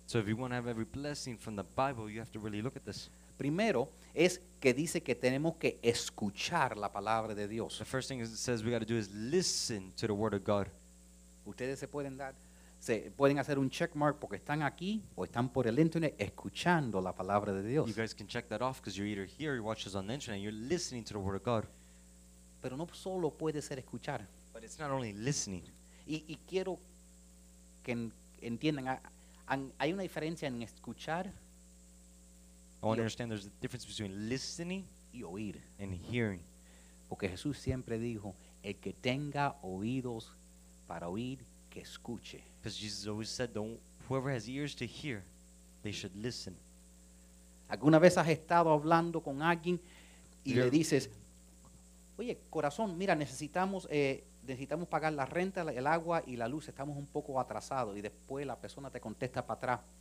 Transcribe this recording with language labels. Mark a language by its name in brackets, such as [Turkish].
[English] So if you want to have every blessing from the Bible, you have to really look at this. [Spanish] Primero es que dice que tenemos que escuchar la palabra de Dios. [English] The first thing it says we got to do is listen to the word of God. [Spanish] Ustedes se pueden dar, se pueden hacer un check mark porque están aquí o están por el internet escuchando la palabra de Dios. [English] You guys can check that off because you're either here or you watch this on the internet and you're listening to the word of God. [Spanish] Pero no solo puede ser escuchar. [English] But it's not only listening. [Spanish] Y quiero que entiendan, hay una diferencia en escuchar. [English] I want to understand there's a difference between listening [Spanish] y oír. [English] And hearing. [Spanish] Porque Jesús siempre dijo, el que tenga oídos para oír, que escuche. [English] Because Jesus always said, whoever has ears to hear, they should listen. [Spanish] ¿Alguna vez has estado hablando con alguien y le dices, oye, corazón, mira, necesitamos pagar la renta, el agua y la luz, estamos un poco atrasados? Y después la persona te contesta para atrás.